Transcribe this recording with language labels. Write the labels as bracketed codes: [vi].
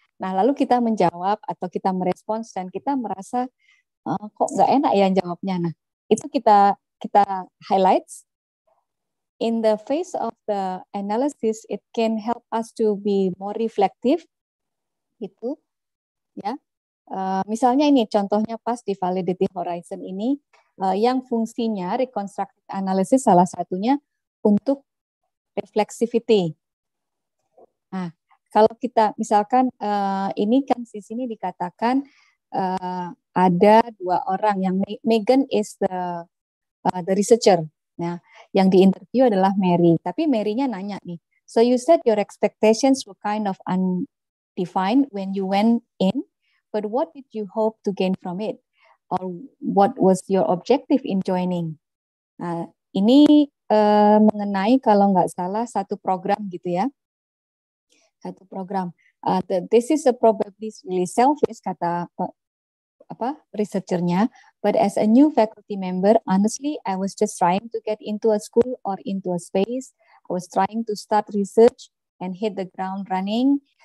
[id] Nah, lalu kita menjawab atau kita merespons dan kita merasa kok nggak enak ya jawabnya. Nah, itu kita highlights. [en] In the face of the analysis, it can help us to be more reflective. [id] Gitu. Ya. Misalnya ini contohnya pas di Validity Horizon ini, yang fungsinya reconstructive analysis salah satunya untuk reflexivity. Nah, kalau kita misalkan ini kan di sini dikatakan ada dua orang, yang [en] Megan is the researcher. [id] Nah, yang di interview adalah Mary. Tapi Mary-nya nanya nih, [en] so you said your expectations were kind of undefined when you went in, but what did you hope to gain from it? Or what was your objective in joining? [id] Nah, ini mengenai kalau nggak salah satu program gitu ya. Satu program. [en] This is a probably really selfish, [id] kata researcher-nya. [en] But as a new faculty member, honestly, I was just trying to get into a school or into a space. I was trying to start research and hit the ground running.